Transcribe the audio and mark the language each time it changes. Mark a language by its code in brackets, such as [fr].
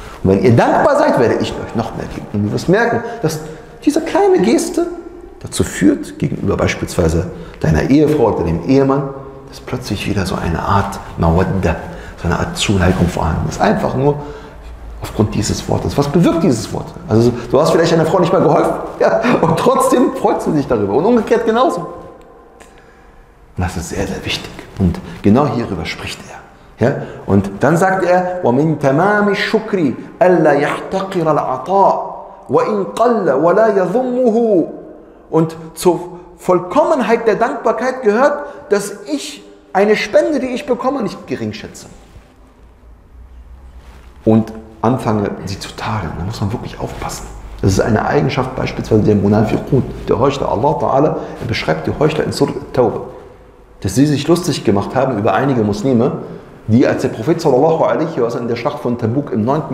[de] Und wenn ihr dankbar seid, werde ich euch noch mehr geben. Und du wirst merken, dass diese kleine Geste dazu führt, gegenüber beispielsweise deiner Ehefrau oder dem Ehemann, dass plötzlich wieder so eine Art Mawadda, so eine Art Zuneigung vorhanden ist. Einfach nur aufgrund dieses Wortes. Was bewirkt dieses Wort? Also du hast vielleicht deiner Frau nicht mal geholfen, ja, und trotzdem freut sie sich darüber. Und umgekehrt genauso. Und das ist sehr, sehr wichtig. Und genau hierüber spricht er. Ja, und dann sagt er, [ar] وَمِنْ تَمَامِ الشُّكْرِ أَلَّا يَحْتَقِرَ الْعَطَاءِ وَإِنْ قَلَّ وَلَا يَظُمُّهُ. [de] Und zur Vollkommenheit der Dankbarkeit gehört, dass ich eine Spende, die ich bekomme, nicht geringschätze. Und anfange, sie zu tadeln. Da muss man wirklich aufpassen. Das ist eine Eigenschaft beispielsweise der Munafiqun, der Heuchler. Allah Ta'ala beschreibt die Heuchler in Surah At-Tawbah, dass sie sich lustig gemacht haben über einige Muslime, die, als der Prophet sallallahu alaihi wa sallam in der Schlacht von Tabuk im 9.